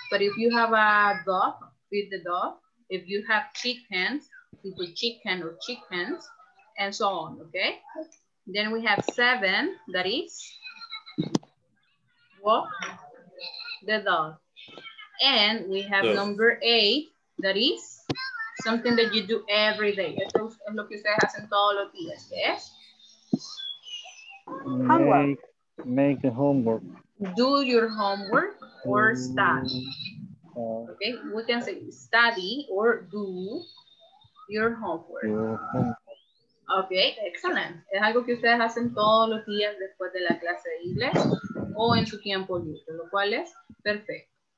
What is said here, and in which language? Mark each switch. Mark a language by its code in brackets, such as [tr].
[en] But if you have a dog, feed the dog. If you have chickens, people chicken or chickens, and so on, okay? Then we have seven, that is, walk the dog. And we have number eight, that is, something that you do every day. [es] Esto es lo que ustedes hacen todos los días, ¿eh? [en] Homework. Make the homework. Do your homework or study. Okay, we can say study or do your homework. Okay, excellent. [es] Es algo que ustedes hacen todos los días después de la clase de inglés o en su tiempo libre, lo cual es perfecto.